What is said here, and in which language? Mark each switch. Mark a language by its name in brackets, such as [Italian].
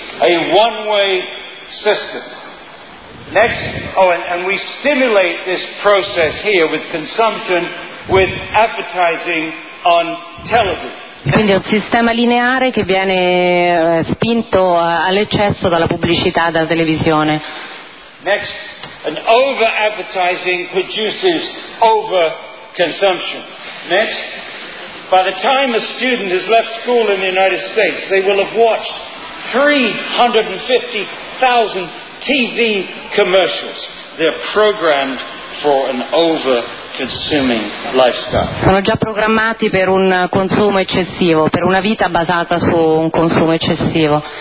[English] A one-way system. Next, and we stimulate this process here with consumption, with advertising on television. [Italian] Quindi è un sistema lineare che viene spinto all'eccesso dalla pubblicità della televisione. [English] Next, an over advertising produces over consumption. Next, by the time a student has left school in the United States, they will have watched 350,000 TV commercials. They're programmed for an over consuming lifestyle. [Italian] Sono già programmati per un consumo eccessivo, per una vita basata su un consumo eccessivo.